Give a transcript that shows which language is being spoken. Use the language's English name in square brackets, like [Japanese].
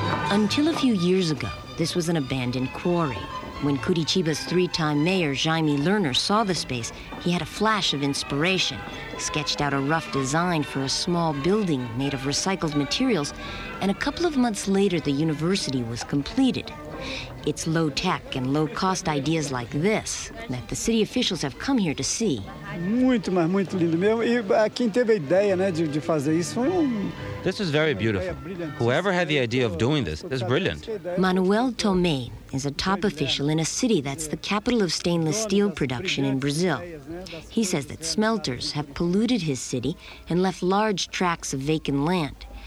[English] Until a few years ago, this was an abandoned quarry. When Curitiba's three-time mayor, Jaime Lerner, saw the space, he had a flash of inspiration, sketched out a rough design for a small building made of recycled materials, and a couple of months later, the university was completed. It's low-tech and low-cost ideas like this that the city officials have come here to see. [Portuguese] Muito, mas muito lindo mesmo. E quem teve a ideia, né, de fazer isso foi um... [English] This is very beautiful. Whoever had the idea of doing this is brilliant. Manuel Tomé is a top official in a city that's the capital of stainless steel production in Brazil. He says that smelters have polluted his city and left large tracts of vacant land.